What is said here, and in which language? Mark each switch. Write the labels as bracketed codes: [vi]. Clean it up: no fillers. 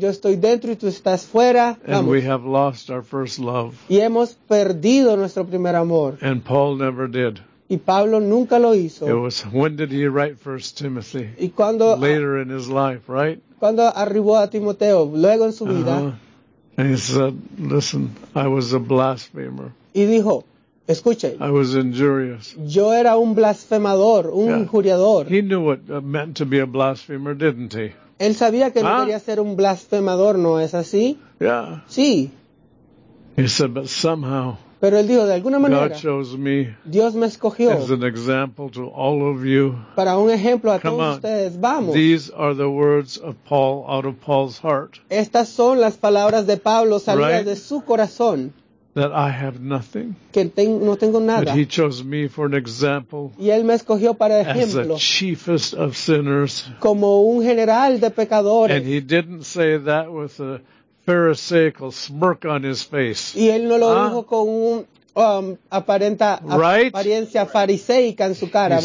[es] Yo estoy dentro y tú estás fuera. [en] And [es] Vamos. [en] We have lost our first love. [es] Y hemos perdido nuestro primer amor. [en] And Paul never did. [es] Y Pablo nunca lo hizo. [en] It was, when did he write 1 Timothy? [es] Y cuando, [en] Later in his life, right? [es] Cuando arribó a Timoteo, luego en su vida. [en] And he said, listen, I was a blasphemer. [es] Y dijo, escuche. [en] I was injurious. [es] Yo era un blasfemador, un injuriador. [en] He knew what it meant to be a blasphemer, didn't he? [es] Él sabía que no quería ser un blasfemador, ¿no es así? [en] Yeah. [es] Sí. [en] He said, but somehow. [es] Pero él dijo, de alguna manera, [en] God chose me [es] Dios me escogió [en] as an example to all of you. [es] Para un ejemplo a [en] Come [es] todos [en] on. [es] Ustedes. Vamos. [en] These are the words of Paul out of Paul's heart. [es] Estas son las palabras de Pablo salidas [en] right? [es] de su corazón. [en] That I have nothing. [es] Que no tengo nada. [en] But he chose me for an example. [es] Y él me escogió para ejemplo. [en] As the chiefest of sinners. [es] Como un general de pecadores. [en] And he didn't say that with a Pharisaical smirk on his face. [es] Y él no lo dijo con un apariencia fariseica en su cara,